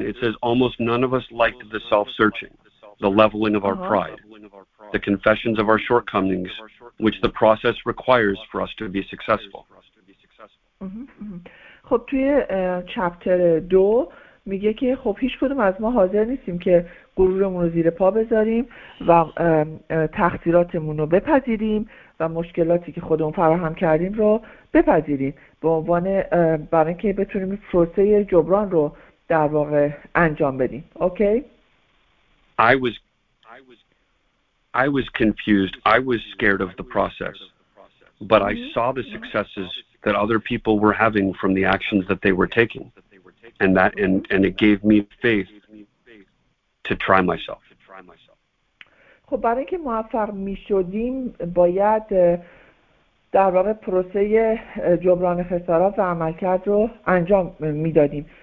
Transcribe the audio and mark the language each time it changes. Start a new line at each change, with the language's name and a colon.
English: It says almost none of us like the self-searching, the leveling of our pride, the confessions of our shortcomings, which the process requires for us to be successful.
Persian: خب توی چپتر 2 میگه که خب هیچ کدوم از ما حاضر نیستیم که غرورمون رو زیر پا بذاریم و تقصیراتمون رو بپذیریم و مشکلاتی که خودمون فراهم کردیم رو بپذیریم، به عنوان برای اینکه بتونیم پروسه جبران رو در واقع انجام بدیم. اوکی؟
English: I was confused. I was scared of the process. but I saw the successes that other people were having from the actions that they were taking, and that and it gave me faith to try myself.
Persian: خب برای اینکه موفق می شدیم باید در واقع پروسه جبران خسارات و عملکرد رو انجام می دادیم.